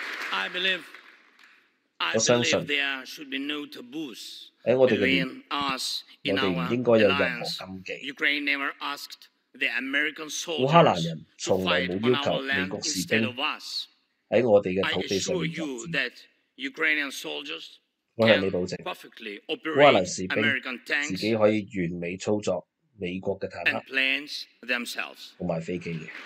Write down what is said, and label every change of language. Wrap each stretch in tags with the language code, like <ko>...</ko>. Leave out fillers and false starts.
<en>I believe. I believe there should be no taboos.</en> <zh>在我們的連我們不應該有任何禁忌。烏克蘭人從來沒有要求美國士兵在我們的土地上作戰。</zh> <en>I assure you that Ukrainian soldiers can perfectly operate</en> <zh>我向你保證，烏克蘭士兵自己可以完美操作美國的坦克和飛機。</zh>